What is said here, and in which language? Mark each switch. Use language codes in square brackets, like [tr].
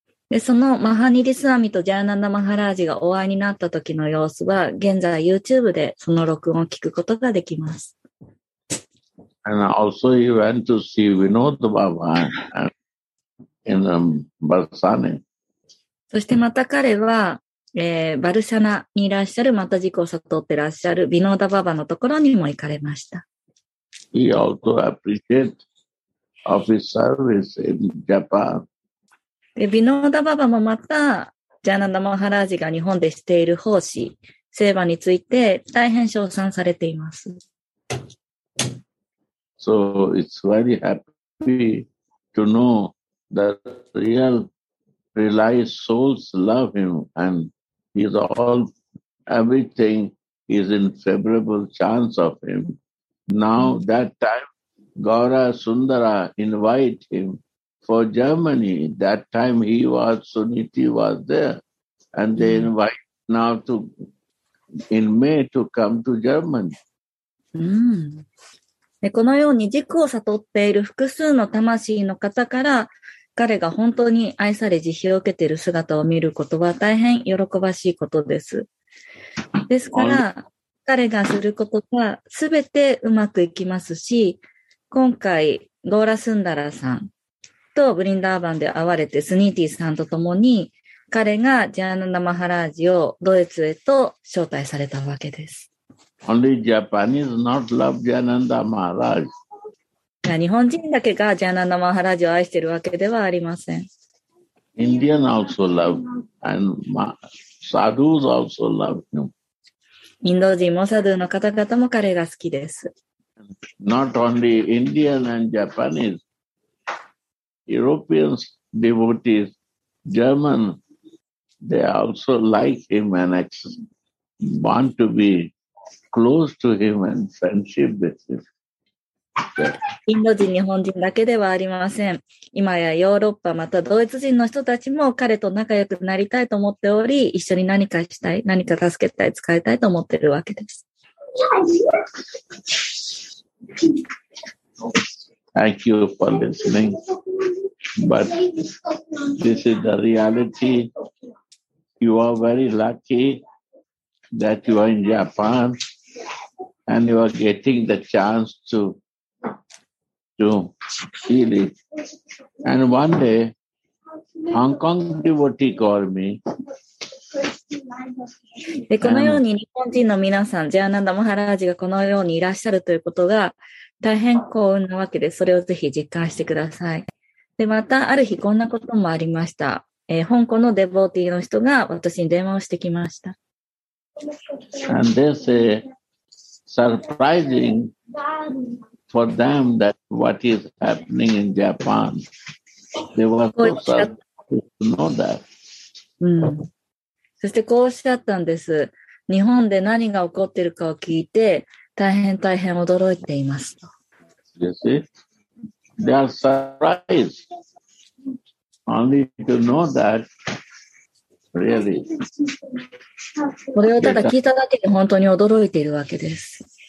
[ja] で、そのマハニディスワミとジャーナンダ・マハラージがお会いになった時の様子は、現在 YouTube でその録音を聞くことができます。 [en] And also he went to see Vinod Baba in Barsani. [ja] そしてまた彼は、バルシャナにいらっしゃる、また自己を悟ってらっしゃるビノーダババのところにも行かれました。 [en] He also appreciated of his service in Japan. [ja] で、ビノーダババもまた、ジャーナンダ・マハラージが日本でしている奉仕、セーバについて大変称賛されています。 [en] So it's very happy to know that real realized souls love him and he's all, everything is in favorable chance of him. Now that time, Gaura Sundara invite him for Germany. That time he was, Suniti was there. And they invite now to, in May to come to Germany. Mm. [ja] このように軸を悟っている複数の魂の方から彼が本当に愛され慈悲を受けている姿を見ることは大変喜ばしいことです。ですから彼がすることは全てうまくいきますし、今回ゴーラスンダラさんとブリンダーバンで会われてスニーティーさんとともに彼がジャーナンダ・マハラージをドイツへと招待されたわけです。 [en] Only Japanese not love Jananda Maharaj. [ja] 日本人だけがジャーナンダ・マハラージを愛しているわけではありません。 [en] Indian also love and sadhus also love him. [ja] インド人もサドゥの方々も彼が好きです。 [en] Not only Indian and Japanese. European devotees, German, they also like him and want to beclose to him and friendship with him. [ja] インド人、日本人だけではありません。今やヨーロッパ、またドイツ人の人たちも彼と仲良くなりたいと思っており、一緒に何かしたい、何か助けたい、使いたいと思っているわけです。 [en] Thank you for listening. But this is the reality. You are very lucky that you are in Japan. And you are getting the chance to feel it. And one day, Hong Kong devotee called me. [ja] で、このように日本人の皆さん、ジャーナンダ・マハラージがこのようにいらっしゃるということが大変幸運なわけです。それをぜひ実感してください。で、またある日こんなこともありました。香港のデボーティーの人が私に電話をしてきました。 [en] And they say,Surprising for them that what is happening in Japan. They were so surprised to know that. [ja] そしてこうおっしゃったんです。日本で何が起こっているかを聞いて、大変大変驚いています。 [en] You see? They are surprised only to know that, really. [ja] これをただ聞いただけで本当に驚いているわけです。